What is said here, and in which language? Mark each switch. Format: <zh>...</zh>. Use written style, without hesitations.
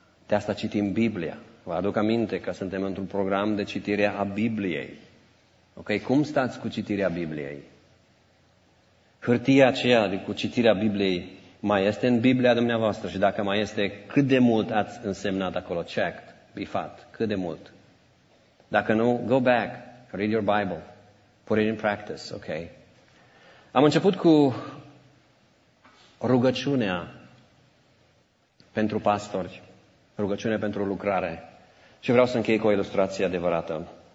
<ro>De asta citim Biblia. Vă aduc aminte că suntem într-un program de citire a Bibliei. Ok, cum stați cu citirea Bibliei? Hârtia aceea cu citirea Bibliei mai este în Biblia dumneavoastră? Și dacă mai este, cât de mult ați însemnat acolo? Checked, bifat, cât de mult? Dacă nu,</ro> <en>go back, read your Bible, put it in practice, ok?</en> <ro>Am început cu rugăciunea pentru pastori, rugăciune pentru lucrare. Și vreau să închei cu o ilustrație adevărată.</ro>